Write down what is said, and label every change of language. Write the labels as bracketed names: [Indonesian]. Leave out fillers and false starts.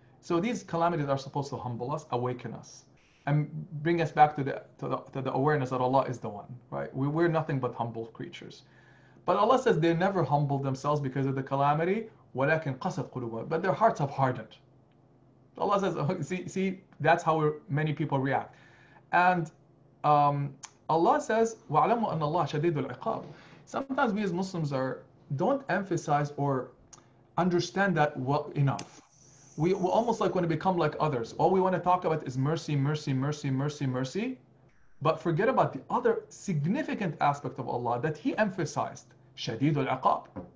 [English] So these calamities are supposed to humble us, awaken us, and bring us back to the awareness that Allah is the one, right? We're nothing but humble creatures. But Allah says they never humbled themselves because of the calamity, [Arabic] وَلَكِنْ قَسَدْ قُلُوبًا, [English] but their hearts have hardened. Allah says, oh, see, that's how many people react. And Allah says, [Arabic] وَعْلَمُوا أَنَّ اللَّهَ شَدِيدُ الْعِقَابِ. [English] Sometimes we as Muslims don't emphasize or understand that well enough. We almost like want to become like others. All we want to talk about is mercy, mercy, mercy, mercy, mercy. But forget about the other significant aspect of Allah that he emphasized, شَدِيدُ الْعِقَابِ.